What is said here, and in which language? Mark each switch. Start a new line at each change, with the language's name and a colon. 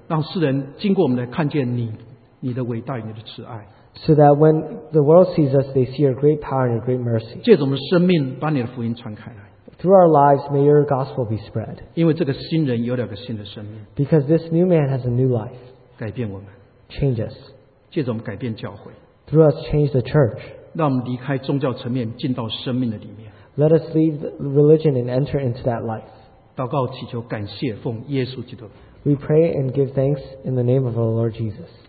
Chinese: 让世人经过我们来看见你的伟大与你的慈爱。
English: So that when the world sees us, they see your great power and your great mercy.
Chinese: 借着我们生命把你的福音传开来。
English: Through our lives, may your gospel be spread.
Chinese: 因为这个新人有了个新的生命。
English: Because this new man has a new life.
Chinese: 改变我们。
English: Change us.
Chinese: 借着我们改变教会。
English: Through us, change the church.
Chinese: 让我们离开宗教层面, 进到生命的里面。
English: Let us leave religion and enter into that life.
Chinese: 祷告祈求感谢奉耶稣基督。
English: We pray and give thanks in the name of our Lord Jesus.